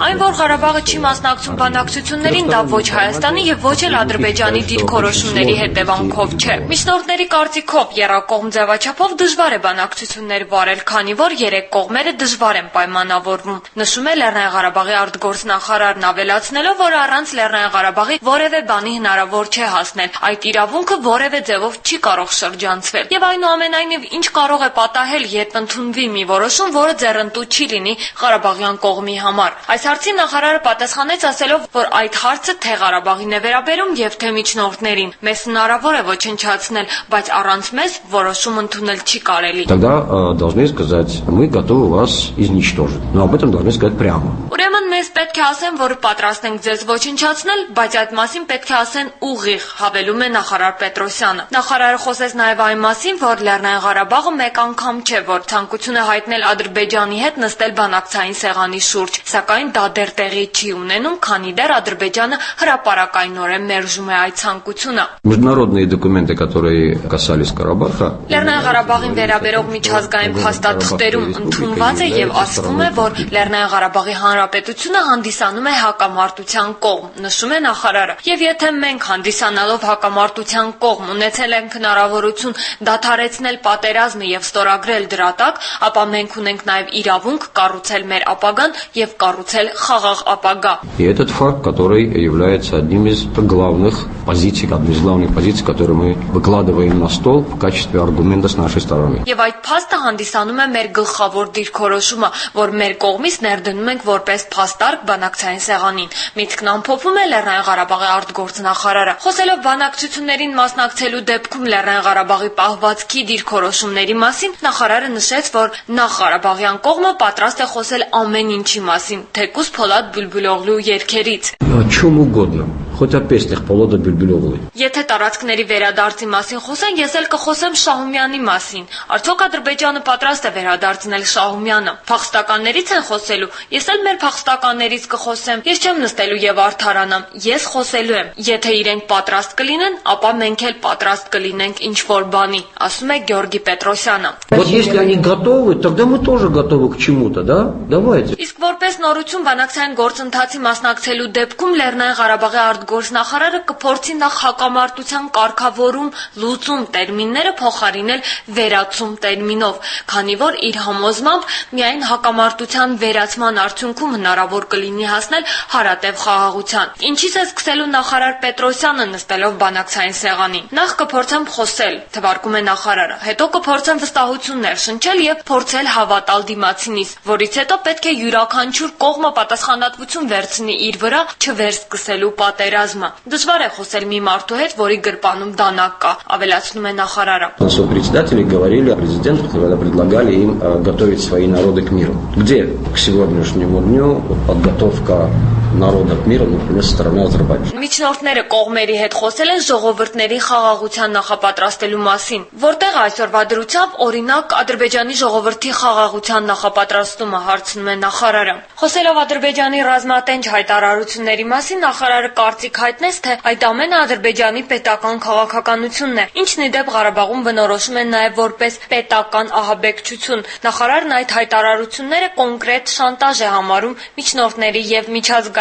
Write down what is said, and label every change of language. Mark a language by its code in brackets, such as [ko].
[hy] Այն որ Ղարաբաղը չի մասնակցում բանակցություններին, դա ոչ Հայաստանի և ոչ էլ Ադրբեջանի դիրքորոշումների հետևանքով չէ։ Միջնորդների կարծիքով կողմ ձևաչափով դժվար է բանակցություններ վարել, քանի որ երեք կողմերը դժվար են պայմանավորվում, նշում է Լեռնային Ղարաբաղի արտգործնախարարն, ավելացնելով, որ առանց Լեռնային Ղարաբաղի որևէ բանի հնարավոր չէ հասնել, այդ իրավունքը որևէ ձևով չի կարող շրջանցվել, եւ այնուամենայնիվ ինչ կարող է պատահել, երբ ընդունվի մի որոշում, որը ձեռնտու չի լինի Ղարաբաղյան կողմի համար։ Այս հարցին նախարարը պատասխանեց ասելով, որ այդ հարցը թե Ղարաբաղին է վերաբերում եւ թե միջնորդներին, մեզ հնարավոր է ոչնչացնել, բայց առանց մեզ որոշում ընդունել չի կարելի։ [ru] Тогда должны сказать, мы готовы вас уничтожить. Но об этом должны сказать прямо. [hy] Ուրեմն մեզ պետք է ասեն, որ պատրաստ ենք ձեզ ոչնչացնել, բայց այդ մասին պետք է ասեն ուղիղ, հավելում է նախարար Պետրոսյանը։ Նախարարը խոսեց նաև այն մասին, որ Լեռնային Ղարաբաղը մեկ անգամ չէ, որ ցանկություն է հայտնել Ադրբեջանի հետ նստել բանակցային սեղանի շուրջ, սակայն դա դեռ տեղի չի ունենում, քանի դեռ Ադրբեջանը հրապարակայնորեն մերժում է այդ ցանկությունը։ [ru] Международные документы, которые касались Карабаха. [hy] Լեռնային Ղարաբաղին վերաբերող միջազգային փաստաթղթերում ընդունված է եւ ասվում է, որ Լեռնային Ղարաբաղի հանրապետությունը հանդիսանում է հակամարտության կողմ, նշում է նախարարը։ Եվ եթե մենք հանդիսանալով հակամարտության կողմ ունեցել ենք հնարավորություն դադարեցնել պատերազմը եւ ստորագրել դրա տակ, ապա մենք ունենք նաեւ իրավունք կառուցել մեր ապագան եւ կառուցել խաղաղ ապագա։ [ru] Этот факт, который является одним из главных позиций, одной из главных позиций, которые мы выкладываем на стол в качестве аргумента с нашей стороны. [hy] Եվ այդ փաստը հանդիսանում է մեր գլխավոր դիրքորոշումը, որ մեր կողմից ներդնում ենք որպես փաստարկ բանակցային սեղանին, միտքն ամփոփում է Լեռնային Ղարաբաղի արտգործնախարարը։ Խոսելով բանակցություններին մասնակցելու դեպքում Լեռնային Ղարաբաղի պահվածքի դիրքորոշումների մասին, նախարարը նշեց, որ նախ Ղարաբաղյան կողմը պատրաստ է խոսել ամեն ինչի մասին, թեկուզ Փոլադ Բուլբուլոգլու երկերից։ [ru] Хоть о песнях Полода Бюльбюлёвой. [hy] Եթե տարածքների վերադարձի մասին խոսեն, ես էլ կխոսեմ Շահումյանի մասին։ Արդյոք Ադրբեջանը պատրաստ է վերադարձնել Շահումյանը։ Փախստականներից են խոսելու, ես էլ մեր փախստականներից կխոսեմ։ Ես չեմ նստելու եւ արթարանամ, ես խոսելու եմ։ Եթե իրենք պատրաստ կլինեն, ապա մենք էլ պատրաստ կլինենք ինչ որ բանի, ասում է Գյորգի Պետրոսյանը։ [ru] Вот если они готовы, тогда мы тоже готовы к чему-то, да? Давайте. [hy] Իսկ որպես նորություն բանակցային գործընթացի մասնակցելու դեպքում Լեռնային Ղարաբաղի արտգործնախարարը կփորձի նախ հակամարտության կարգավորում լուծում տերմինները փոխարինել վերացում տերմինով, քանի որ իր համոզմամբ միայն հակամարտության վերացման արդյունքում հնարավոր կլինի հասնել հարատև խաղաղության։ Ինչի՞ս է սկսելու նախարար Պետրոսյանը նստելով բանակցային սեղանին։ Նախ կփորձեմ խոսել, թվարկում է նախարարը, հետո կփորձեմ վստահություն ներշնչել եւ փորձել հավատալ դիմացինիս, որից հետո պետք է յուրաքանչյուր կողմը պատասխանատվություն վերցնի իր վրա, չվերսկսելու պատերազմը։ Դժվար է խոսել մի մարդու հետ, որի գրպանում դանակ կա, ավելացնում է նախարարը։ [ru] Նոսո председатели говорили президенту, когда предлагали им готовить свои народы к миру. Где к сегодняшнему дню подготовка народа к миру, например, со стороны Азербайджана? [hy] Միջնորդները կողմերի հետ խոսել են ժողովրդների խաղաղության նախապատրաստելու մասին, որտեղ այսօրվա դրությամբ օրինակ Ադրբեջանի ժողովրդի խաղաղության նախապատրաստումը, հարցնում է նախարարը։ Խոսելով Ադրբեջանի ռազմատենչ հայտարարությունների մասին, նախարարը կարծիք հայտնեց, թե այդ ամենը Ադրբեջանի պետական քաղաքականությունն է, ինչն ի դեպ Ղարաբաղում բնորոշում են նաև որպես պետական ահաբեկչություն։ Նախարարն այդ հայտարարությունները կոնկրետ շանտաժ է համարում միջնորդների եւ միջազգային